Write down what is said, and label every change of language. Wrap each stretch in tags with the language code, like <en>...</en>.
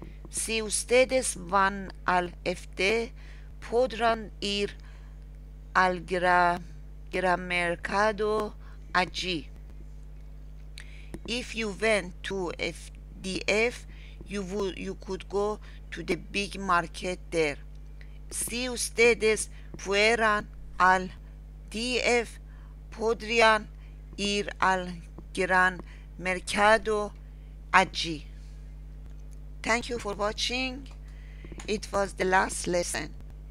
<es>Si ustedes van al Efte, podrán ir al gran mercado allí.</es> <en>If you went to FDF, you could go to the big market there.</en> <es>Si ustedes fueran al DF, podrían ir al gran mercado allí.</es> <en>Thank you for watching. It was the last lesson.</en>